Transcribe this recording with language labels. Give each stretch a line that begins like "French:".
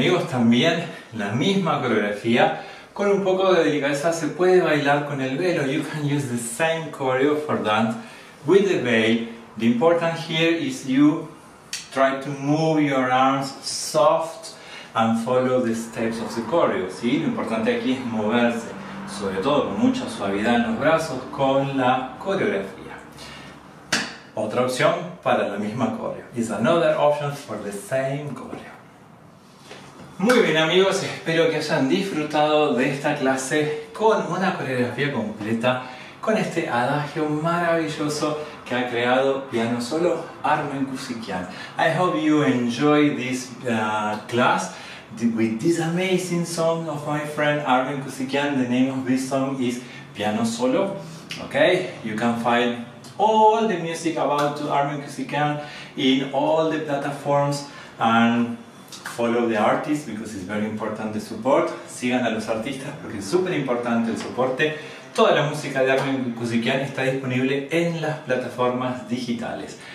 Spanish: También la misma coreografía con un poco de delicadeza se puede bailar con el velo.
English: You can use the same choreo for dance with the veil. The important here is you try to move your arms soft and follow the steps of the choreo.
Spanish: ¿Sí? Lo importante aquí es moverse, sobre todo con mucha suavidad en los brazos, con la coreografía. Otra opción para la misma choreo.
English: Is another option for the same choreo.
Spanish: Muy bien amigos, espero que hayan disfrutado de esta clase con una coreografía completa con este adagio maravilloso que ha creado piano solo Armen Kusikian.
English: I hope you enjoy this class with this amazing song of my friend Armen Kusikian. The name of this song is Piano Solo. Okay, you can find all the music about to Armen Kusikian in all the platforms and follow the artists because it's very important the support.
Spanish: Sigan a los artistas porque es súper importante el soporte. Toda la música de Armen Kusikian está disponible en las plataformas digitales.